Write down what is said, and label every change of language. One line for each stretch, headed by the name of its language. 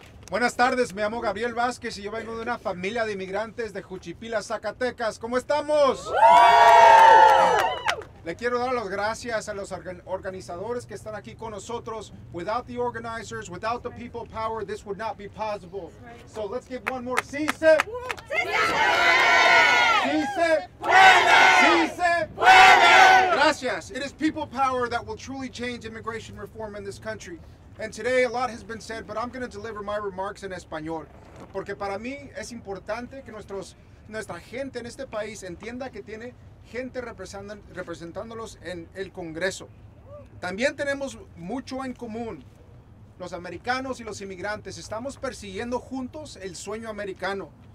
Spanish: Buenas tardes, me llamo Gabriel Vázquez y yo vengo de una familia de inmigrantes de Juchipila, Zacatecas. ¿Cómo estamos? Le quiero dar las gracias a los organizadores que están aquí con nosotros.
English: Without the organizers, without the people power, this would not be possible. So let's give one more.
Spanish: ¡Sí se puede! ¡Sí se puede! ¡Sí se puede! Gracias.
English: It is people power that will truly change immigration reform in this country. And today a lot has been said, but I'm going to deliver my remarks in español.
Spanish: Porque para mí es importante que nuestra gente en este país entienda que tiene gente representándolos en el Congreso. También tenemos mucho en común. Los americanos y los inmigrantes estamos persiguiendo juntos el sueño americano.